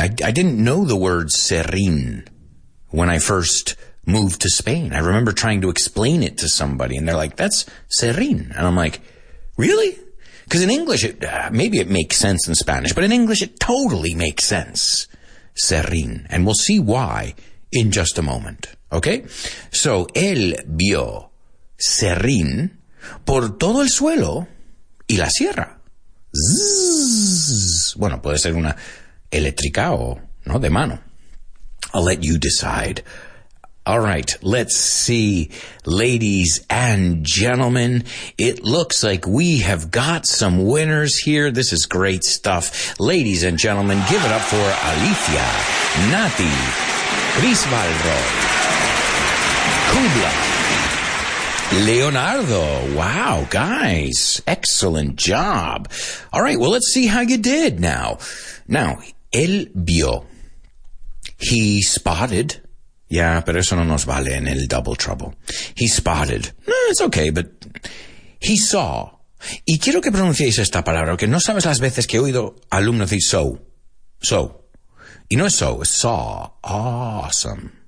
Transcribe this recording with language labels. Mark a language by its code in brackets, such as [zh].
[en] I didn't know the word serrín when I first moved to Spain. I remember trying to explain it to somebody, and they're like, that's serrín. And I'm like, really? Because in English, maybe it makes sense in Spanish, but in English, it totally makes sense. Serrín. And we'll see why in just a moment, okay? [es] So, él vio serrín por todo el suelo y la sierra. Zzz. Bueno, puede ser una eléctrica o, ¿no?, de mano. [en] I'll let you decide. All right, let's see, ladies and gentlemen. It looks like we have got some winners here. This is great stuff. Ladies and gentlemen, give it up for Alicia, Nati, Crisvaldo, Kubla, Leonardo. Wow, guys, excellent job. All right, well, let's see how you did now. Now, [es] él vio. [en] He spotted. [es] Yeah, pero eso no nos vale en el double trouble. [en] He spotted. It's okay, but he saw. [es] Y quiero que pronunciéis esta palabra, porque no sabes las veces que he oído alumnos decir so. So. Y no es so, es saw. [en] Awesome.